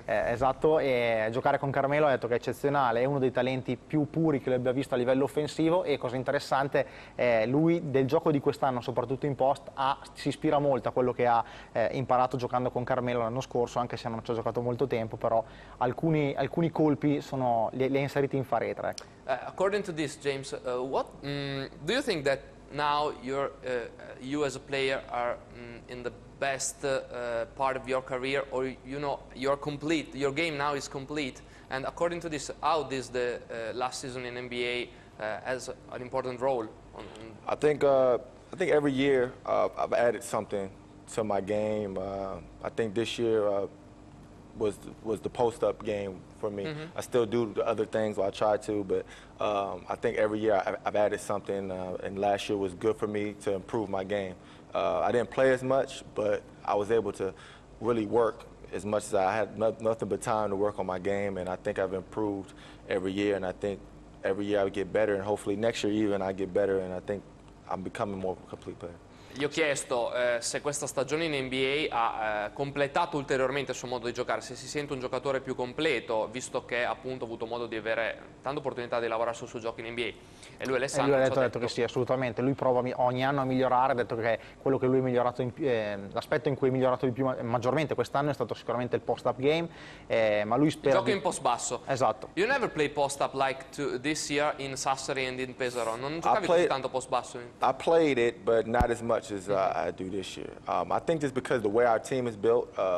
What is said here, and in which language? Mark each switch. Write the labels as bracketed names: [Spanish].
[Italian] Esatto, e giocare con Carmelo ha detto che è eccezionale, è uno dei talenti più puri che lui abbia visto a livello offensivo. E cosa interessante, lui del gioco di quest'anno, soprattutto in post, si ispira molto a quello che ha imparato giocando con Carmelo l'anno scorso, anche se non ci ha giocato molto tempo, però alcuni colpi li ha inseriti in faretra. Ecco. [English] According to this, James, do you think that now you as a player are in the best part of your career, or you know, you're complete, your game now is complete, and according to this, how is the last season in NBA has an important role? I think every year I've added something to my game. I think this year was the post-up game for me. Mm-hmm. I still do the other things, I try to, but I think every year I've added something, and last year was good for me to improve my game. I didn't play as much, but I was able to really work as much as I had nothing but time to work on my game, and I think I've improved every year, and I think every year I would get better, and hopefully next year even I get better, and I think I'm becoming more of a complete player. [Italian] Gli ho chiesto se questa stagione in NBA ha completato ulteriormente il suo modo di giocare, se si sente un giocatore più completo, visto che appunto ha avuto modo di avere tante opportunità di lavorare sul suo gioco in NBA. E lui, Alessandro, ha detto che sì, assolutamente. Lui prova ogni anno a migliorare, ha detto che quello che lui è migliorato in, l'aspetto in cui è migliorato di più maggiormente quest'anno è stato sicuramente il post-up game. Ma lui spera. Gioca in post basso. Esatto. [English] You never play post-up like this year in Sassari and in Pesaro. [Italian] Non giocavi così tanto post basso. [English] I played it, but not as much as I do this year. I think just because the way our team is built.